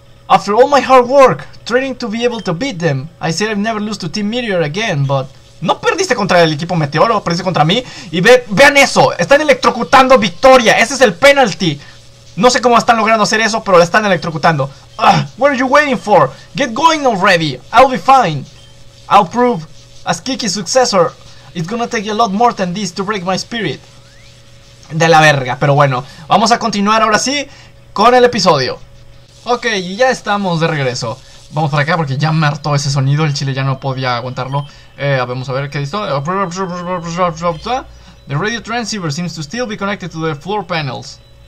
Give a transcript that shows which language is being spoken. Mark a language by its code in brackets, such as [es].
[en] After all my hard work, training to be able to beat them, I said I'd never lose to Team Meteor again, but... [es] No perdiste contra el equipo Meteoro, perdiste contra mí. Y vean eso, están electrocutando a Victoria, ese es el penalty. No sé cómo están logrando hacer eso, pero la están electrocutando. [en] What are you waiting for? Get going already, I'll be fine. I'll prove, as Kiki's successor, it's gonna take a lot more than this to break my spirit. [es] De la verga, pero bueno, vamos a continuar ahora sí con el episodio. Ok, y ya estamos de regreso. Vamos para acá porque ya me hartó ese sonido. El chile ya no podía aguantarlo. Vamos a ver qué hizo. [en] The radio transceiver seems to still be connected to the floor panels.